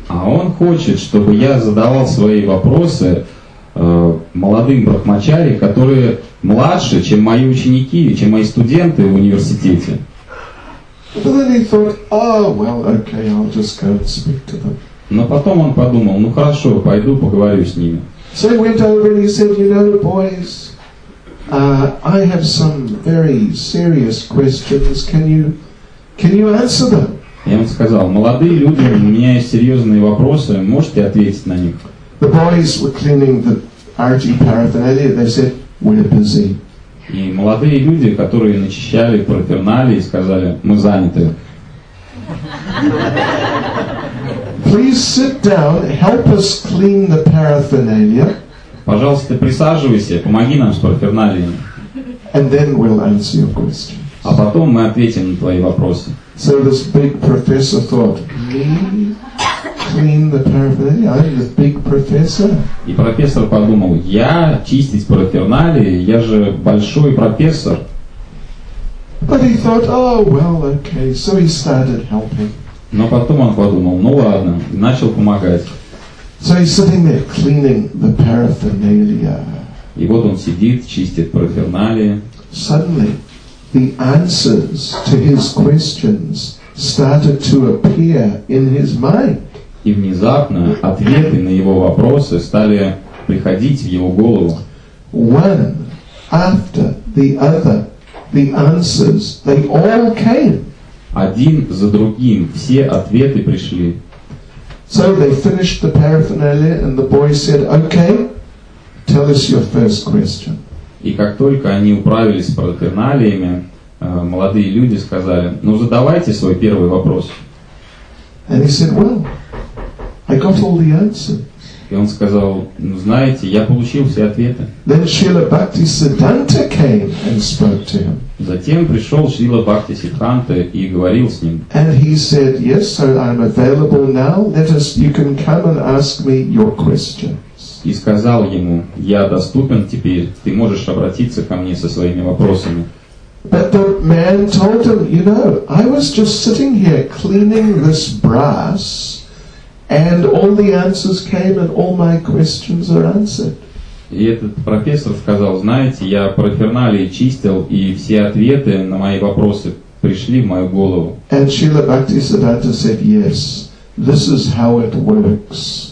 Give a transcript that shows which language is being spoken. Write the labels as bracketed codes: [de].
[ru] А он хочет, чтобы я задавал свои вопросы молодым брахмачари, которые младше, чем мои ученики, чем мои студенты в университете. [en] But then he thought, "Oh well, okay, I'll just go and speak to them." [ru] Но потом он подумал, ну хорошо, пойду поговорю с ними. [en] So he went over and he said, "You know, boys, I have some very serious questions. Can you answer them?" [ru] И он сказал, молодые люди, у меня есть серьезные вопросы, можете ответить на них? [en] The boys were cleaning the arti paraphernalia. They said, "We're busy." [ru] И молодые люди, которые начищали парафернали, сказали, мы заняты. [en] Please sit down, help us clean the paraphernalia. [ru] Пожалуйста, присаживайся, помоги нам с параферналиями. [en] And then we'll answer your questions. [ru] А потом мы ответим на твои вопросы. [en] So this big professor thought, me? Clean the paraphernalia. I'm the big professor. [ru] И профессор подумал, я чистить параферналии, я же большой профессор. [en] But he thought, oh well, okay. So he started helping. [ru] Но потом он подумал, ну ладно, и начал помогать. [en] So he's sitting there cleaning the paraphernalia. [ru] И вот он сидит, чистит параферналии. [en] Suddenly, the answers to his questions started to appear in his mind. [ru] И внезапно ответы на его вопросы стали приходить в его голову. [en] One after the other, the answers, they all came. [ru] Один за другим все ответы пришли. [en] So they finished the paraphernalia and the boy said, "Okay, tell us your first question." [ru] И как только они управились с параферналиями, молодые люди сказали, "Ну задавайте свой первый вопрос." [en] And he said, "Well, I got all the answers." [ru] И он сказал, ну знаете, я получил все ответы. [en] Then Srila Bhaktisiddhanta came and spoke to him. [ru] Затем пришел Шрила Бхактисиддханта и говорил с ним. [en] And he said, yes, sir, I'm available now. Let us, you can come and ask me your questions. [ru] И сказал ему, я доступен теперь, ты можешь обратиться ко мне со своими вопросами. [en] But the man told him, you know, I was just sitting here cleaning this brass. And all the answers came, and all my questions are answered. [ru] И этот профессор сказал, знаете, я параферналии чистил, и все ответы на мои вопросы пришли в мою голову. [en] And Srila Bhaktisiddhanta said, yes, this is how it works.